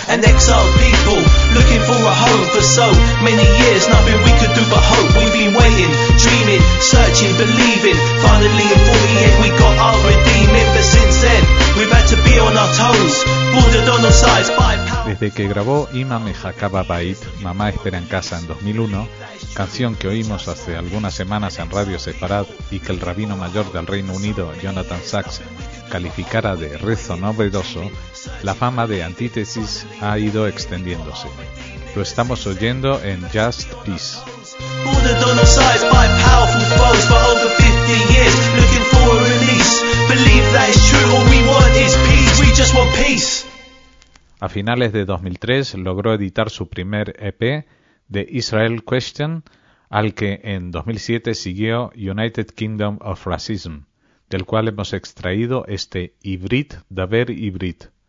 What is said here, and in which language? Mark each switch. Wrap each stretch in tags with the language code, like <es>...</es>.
<en>An exiled people looking for a home for so many years, nothing we could do but hope. We've been waiting, dreaming, searching, believing. Finally in 48 we got our redeeming. But since then we've had to be on our toes, bordered on all sides by power.</en> <es>Desde que grabó Imam Mehakaba Bait, Mamá Espera en Casa, en 2001, canción que oímos hace algunas semanas en Radio Sefarad y que el rabino mayor del Reino Unido, Jonathan Sacks, calificara de rezo novedoso, la fama de Antítesis ha ido extendiéndose. Lo estamos oyendo en Just Peace.</es> <en>Bordered on all sides by powerful foes for over 50 years, looking for a release. Believe that is true, all we want is peace, we just want peace.</en> <es>A finales de 2003 logró editar su primer EP, The Israel Question, al que en 2007 siguió United Kingdom of Racism, del cual hemos extraído este Ivrit Daber Ivrit.</es>